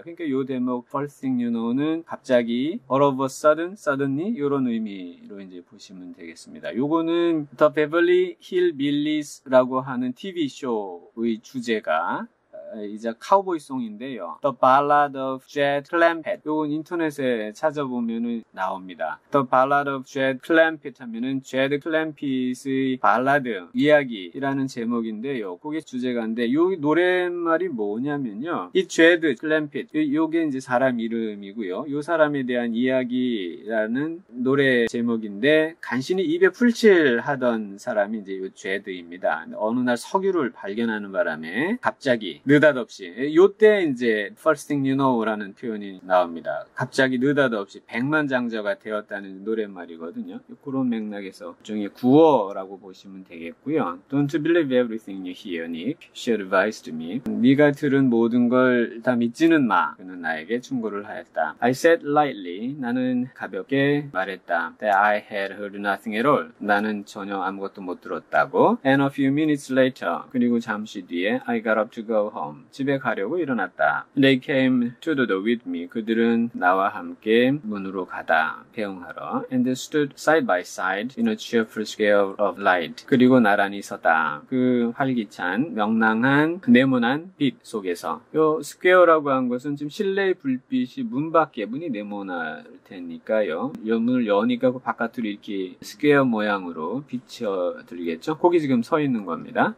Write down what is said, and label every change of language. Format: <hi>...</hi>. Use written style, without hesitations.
<ko>그러니까 요 대목</ko> <en>First thing you know</en> <ko>는 갑자기 All of a sudden, suddenly 이런 의미로 이제 보시면 되겠습니다. 요거는 The Beverly Hillbillies 라고 하는 TV쇼의 주제가 이제 카우보이 송인데요.</ko> <en>The Ballad of Jed Clampett.</en> <ko>요건 인터넷에 찾아보면은 나옵니다. The Ballad of Jed Clampett 하면은 Jed Clampett의 발라드 이야기라는 제목인데요. 그게 주제가인데 요 노랫말이 뭐냐면요. 이 Jed Clampett 요게 이제 사람 이름이고요. 요 사람에 대한 이야기라는 노래 제목인데 간신히 입에 풀칠 하던 사람이 이제 요 Jed입니다. 어느 날 석유를 발견하는 바람에 갑자기 느닷없이 요때 이제</ko> <en>First thing you know</en> <ko>라는 표현이 나옵니다. 갑자기 느닷없이 백만장자가 되었다는 노랫말이거든요. 그런 맥락에서 일종의 구어라고 보시면 되겠고요.</ko> <en>Don't believe everything you hear, Nick. She advised me.</en> <ko>네가 들은 모든 걸다 믿지는 마. 그는 나에게 충고를 하였다.</ko> <en>I said lightly.</en> <ko>나는 가볍게 말했다.</ko> <en>That I had heard nothing at all.</en> <ko>나는 전혀 아무것도 못 들었다고.</ko> <en>And a few minutes later.</en> <ko>그리고 잠시 뒤에</ko> <en>I got up to go home.</en> <ko>집에 가려고 일어났다. They came to the door with me. 그들은 나와 함께 문으로 가다. 배웅하러.</ko> <en>And they stood side by side in a cheerful scale of light.</en> <ko>그리고 나란히 서다. 그 활기찬, 명랑한, 네모난 빛 속에서. 요 square라고 한 것은 지금 실내의 불빛이 문 밖에, 문이 네모날 테니까요. 요 문을 여니까 그 바깥으로 이렇게 square 모양으로 비춰 들겠죠. 거기 지금 서 있는 겁니다.</ko>